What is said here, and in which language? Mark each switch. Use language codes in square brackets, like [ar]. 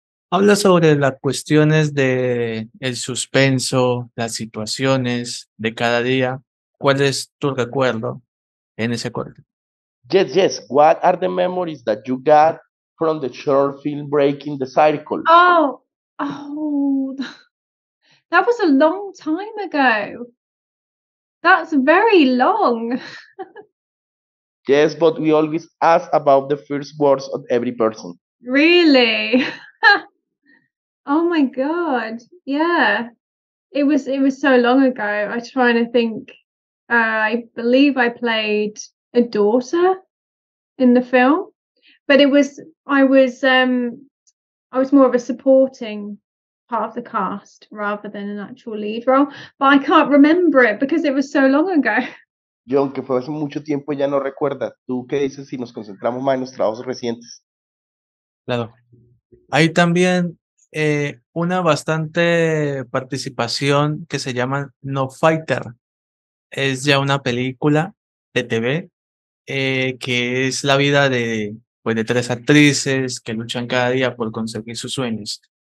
[es] Habla sobre las cuestiones del suspenso, las situaciones de cada día. ¿Cuál es tu recuerdo en ese corto? [en] Yes, yes. What are the memories that you got from the short film Breaking the Cycle? Oh, that was a long time ago. That's very long. Yes, but we always ask about the first words of every person. Really? Oh my God. Yeah. It was so long ago. I'm trying to think. I believe I played a daughter in the film, but I was more of a supporting part of the cast rather than an actual lead role, but I can't remember it because it was so long ago. [es] Yo, aunque fue hace mucho tiempo, ya no recuerda. ¿Tú qué dices si nos concentramos más en los trabajos recientes? Claro. Hay también una bastante participación que se llama No Fighter. Es ya una película de TV que es la vida de tres actrices que luchan cada día por conseguir sus sueños.